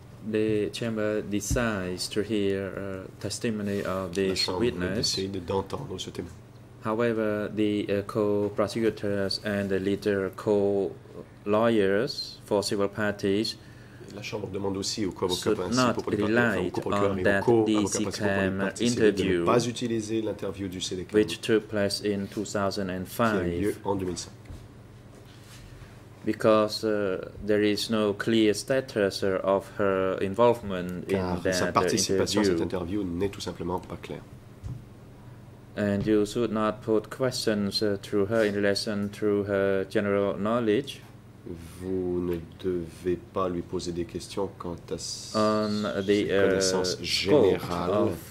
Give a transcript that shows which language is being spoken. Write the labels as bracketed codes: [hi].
[en] The chamber decides to hear testimony of this witness. However, the co-prosecutors and the leader co-lawyers for civil parties. [fr] La Chambre demande aussi aux co-procureurs et aux co-procureurs de ne pas utiliser l'interview du CDCAM, [en] which took place in 2005, [fr] qui a eu lieu en 2005. [en] Because there is no clear status of her involvement in that [fr] Car sa participation à cette interview n'est tout simplement pas claire. [en] And you should not put questions to her in relation to her general knowledge. [fr] Vous ne devez pas lui poser des questions quant à ses connaissances générales.